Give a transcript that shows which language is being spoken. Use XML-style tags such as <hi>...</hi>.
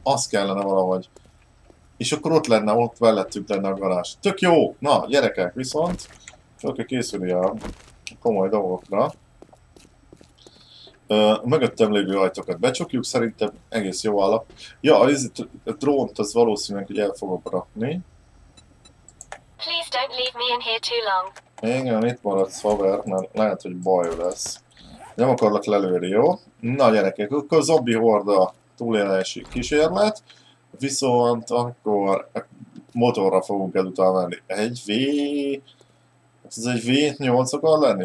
<hu>Az kellene valahogy. És akkor ott lenne, ott mellettünk lenne a garázs. Tök jó! Na, gyerekek, viszont fel kell készülni a komoly dolgokra. Mögöttem lévő ajtókat becsukjuk, szerintem egész jó állap. Ja, ez itt a drónt, az valószínűleg, hogy el fogom rakni.</hu> <en>Please don't leave me in here too long.</en> <hu>Igen, itt maradsz, haver, mert lehet, hogy baj lesz. Nem akarlak lelőni, jó? Na gyerekek, akkor zombi horda túlélési kísérlet. Viszont akkor motorra fogunk ezután menni. Egy V... Ez egy V8 akar lenni?</hu>